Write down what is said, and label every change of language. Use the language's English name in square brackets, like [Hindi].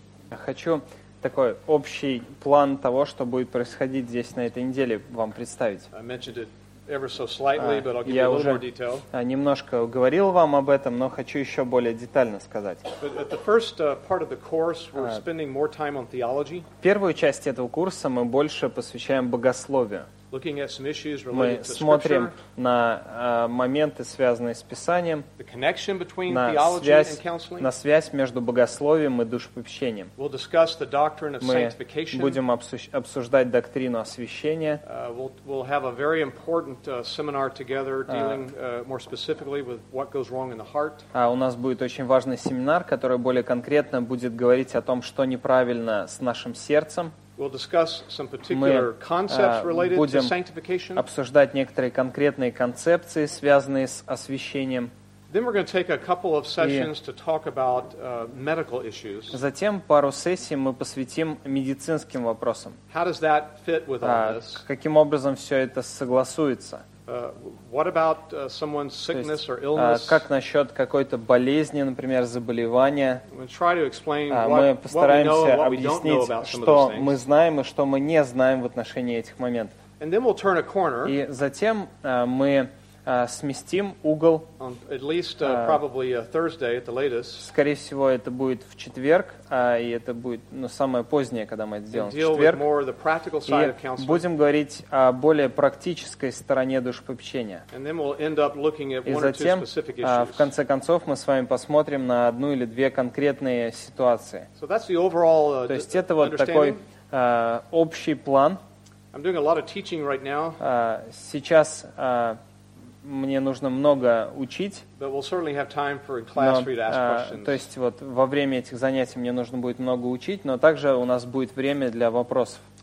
[Russian] Хочу такой общий план того, что будет происходить здесь на этой неделе, вам представить. [English] I mentioned it ever so slightly, but I'll give you a little more detail. [Russian] Я уже немножко говорил вам об этом, но хочу еще более детально сказать. Первую часть этого курса мы больше посвящаем богословию. [English] Looking at some issues related [Russian] мы [English] to [Russian] смотрим на моменты, связанные с Писанием, [English] the connection between theology and counseling. [Russian] На связь между богословием и душепопечением. [English] We'll discuss the doctrine of [Russian] мы [English] sanctification. [Russian] Будем обсуждать доктрину освящения. [English] We'll have a very important seminar together dealing more specifically with what goes wrong in the heart. [Russian] У нас будет очень важный семинар, который более конкретно будет говорить о том, что неправильно с нашим сердцем. [English] We'll discuss some particular concepts related to sanctification. [Russian] Мы будем обсуждать некоторые конкретные концепции, связанные с освящением. [English] Then we're going to take a couple of sessions to talk about medical issues. [Russian] Затем пару сессий мы посвятим медицинским вопросам. [English] How does that fit with all this? [Russian] Каким образом все это согласуется? [English] What about someone's sickness or illness? [Russian] Как насчет какой-то болезни, например, заболевания? [English] We'll try to explain [Russian] мы постараемся объяснить, что мы знаем и что мы не знаем в отношении этих моментов. [English] And then we'll turn a corner. [Russian] И затем мы сместим угол. [English] On at least probably Thursday at the latest. [Russian] Скорее всего, это будет в четверг, и это будет, ну, самое позднее, когда мы это сделаем, в четверг. [English] More the practical side of counseling. [Russian] Будем говорить о более практической стороне душепопечения. [English] And then we'll end up looking at one or two specific issues. [Russian] И затем, в конце концов, мы с вами посмотрим на одну или две конкретные ситуации. [English] So that's the overall, [Russian] то есть это вот такой общий план. [English] I'm doing a lot of teaching right now. [Russian] Сейчас мне нужно много учить. [English] We'll [Russian] то есть вот во время этих занятий мне нужно будет много учить, но также у нас будет время для вопросов.